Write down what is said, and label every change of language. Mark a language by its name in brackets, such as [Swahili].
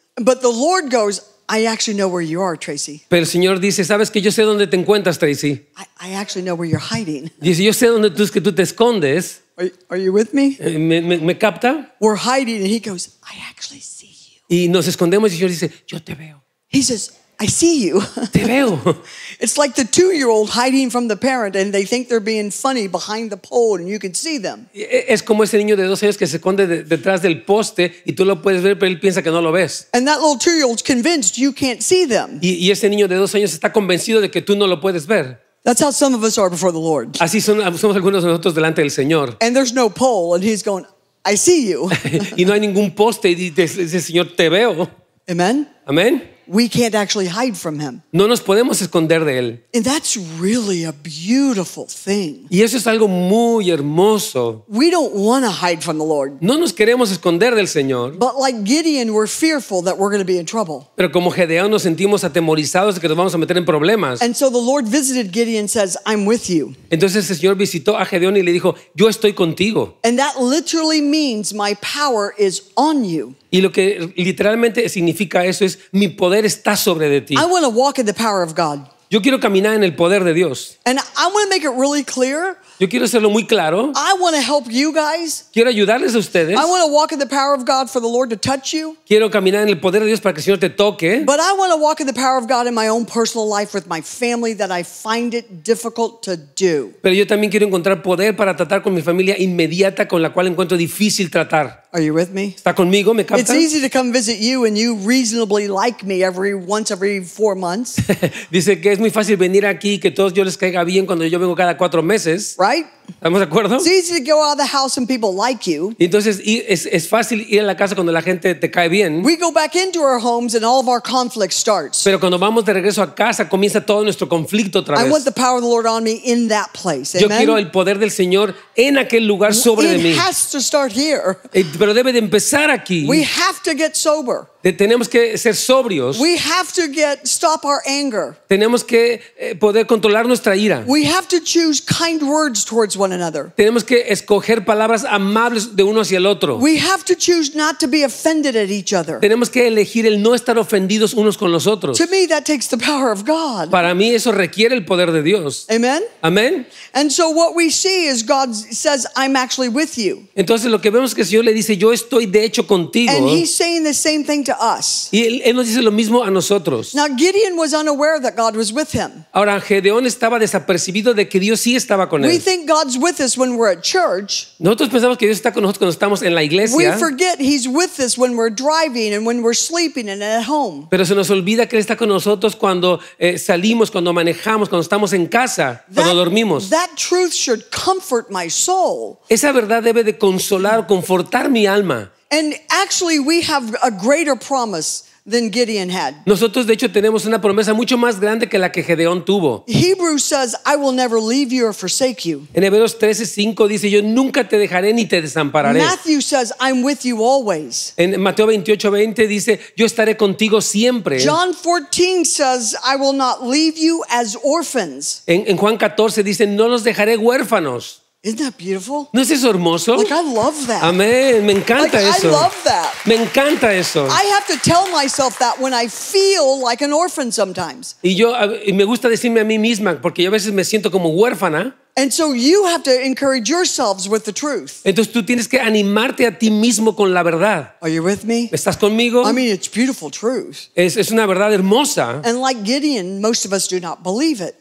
[English] But the Lord goes, I actually know where you are, Tracey. [Spanish] Pero el Señor dice, sabes que yo sé dónde te encuentras, Tracey. [English] I actually know where you're hiding. [Spanish] Dice, yo sé dónde tú es que tú te escondes. [English] Are you with me? [Spanish] ¿Me capta? [English] We're hiding, and he goes, I actually see. [Spanish] Y nos escondemos y el Señor dice, yo te veo. [English] He says, I see you. [Spanish] Te veo. [English] It's like the two-year-old hiding from the parent and they think they're being funny behind the pole and you can see them. [Spanish] Es como ese niño de 12 años que se esconde detrás del poste y tú lo puedes ver, pero él piensa que no lo ves. [English] And that little two-year-old's convinced you can't see them. [Spanish] Y ese niño de 12 años está convencido de que tú no lo puedes ver. [English] That's how some of us are before the Lord. [Spanish] Así somos algunos de nosotros delante del Señor. [English] And there's no pole and he's going, I see you. [Spanish] Y no hay ningún poste y dice, Señor, te veo. [English] Amen. [Spanish] Amen. [English] We can't actually hide from him. [Spanish] No nos podemos esconder de él. [English] And that's really a beautiful thing. [Spanish] Y eso es algo muy hermoso. [English] We don't want to hide from the Lord. [Spanish] No nos queremos esconder del Señor. [English] But like Gideon, we're fearful that we're going to be in trouble. [Spanish] Pero como Gedeón nos sentimos atemorizados de que nos vamos a meter en problemas. [English] And so the Lord visited Gideon and says, I'm with you. [Spanish] Entonces el Señor visitó a Gedeón y le dijo, yo estoy contigo. [English] And that literally means my power is on you. [Spanish] Y lo que literalmente significa eso es mi poder está sobre de ti. [English] I want to walk in the power of God. [Spanish] Yo quiero caminar en el poder de Dios. [English] And I want to make it really clear. [Spanish] Yo quiero hacerlo muy claro. [English] I want to help you guys. [Spanish] Quiero ayudarles a ustedes. [English] I want to walk in the power of God for the Lord to touch you. [Spanish] Quiero caminar en el poder de Dios para que el Señor te toque. [English] But I want to walk in the power of God in my own personal life with my family that I find it difficult to do. [Spanish] Pero yo también quiero encontrar poder para tratar con mi familia inmediata con la cual encuentro difícil tratar. [English] Are you with me? [Spanish] ¿Está conmigo? ¿Me capta? [English] It's easy to come visit you and you reasonably like me every 4 months. [Spanish] Dice que es muy fácil venir aquí y que todos yo les caiga bien cuando yo vengo cada 4 meses. [English] Right? [Spanish] ¿Estamos de acuerdo? [English] It's easy to go out of the house and people like you. [Spanish] Y entonces es fácil ir a la casa cuando la gente te cae bien. [English] We go back into our homes and all of our conflict starts. [Spanish] Pero cuando vamos de regreso a casa comienza todo nuestro conflicto otra vez. [English] I want the power of the Lord on me in that place. [Spanish] Yo [English] Amen? [Spanish] Quiero el poder del Señor en aquel lugar sobre it de mí. [English] It has to start here. [Spanish] Pero debe de empezar aquí. [English] We have to get sober. [Spanish] Tenemos que ser sobrios. [English] We have to stop our anger. [Spanish] Tenemos que poder controlar nuestra ira. [English] We have to choose kind words towards one another. [Spanish] Tenemos que escoger palabras amables de uno hacia el otro. [English] We have to choose not to be offended at each other. [Spanish] Tenemos que elegir el no estar ofendidos unos con los otros. [English] To me, that takes the power of God. [Spanish] Para mí eso requiere el poder de Dios. [English] Amen. Amen. And so what we see is God says, I'm actually with you. [Spanish] Entonces lo que vemos es que el Señor le dice, yo estoy de hecho contigo. [English] And he's saying the same thing to us. [Spanish] Y él nos dice lo mismo a nosotros. [English] Now Gideon was unaware that God was with him. [Spanish] Ahora Gedeón estaba desapercibido de que Dios sí estaba con él. [English] We think God's with us when we're at church. [Spanish] Nosotros pensamos que Dios está con nosotros cuando estamos en la iglesia. [English] We forget he's with us when we're driving and when we're sleeping and at home. [Spanish] Pero se nos olvida que él está con nosotros cuando salimos, cuando manejamos, cuando estamos en casa, cuando dormimos. [English] That truth should comfort my soul. [Spanish] Esa verdad debe de consolar, confortar mi alma. [English] And actually, we have a greater promise than Gideon had. [Spanish] Nosotros, de hecho, tenemos una promesa mucho más grande que la que Gedeón tuvo. [English] Hebrews says, "I will never leave you or forsake you." [Spanish] En Hebreos 13:5 dice, "Yo nunca te dejaré ni te desampararé." [English] Matthew says, "I'm with you always." [Spanish] En Mateo 28:20 dice, "Yo estaré contigo siempre." [English] John 14 says, "I will not leave you as orphans." [Spanish] En Juan 14 dice, "No los dejaré huérfanos." [English] Isn't that beautiful? [Spanish] ¿No es eso hermoso? [English] Like, I love that. [Spanish] Amén. Me encanta like, eso. [English] I love that. [Spanish] Me encanta eso. [English] I have to tell myself that when I feel like an orphan sometimes. [Spanish] Y me gusta decirme a mí misma porque yo a veces me siento como huérfana. [English] And so you have to encourage yourselves with the truth. [Spanish] Entonces tú tienes que animarte a ti mismo con la verdad. [English] Are you with me? [Spanish] ¿Estás conmigo? [English] I mean, it's beautiful truth. [Spanish] Es una verdad hermosa. [English] And like Gideon, most of us do not believe it.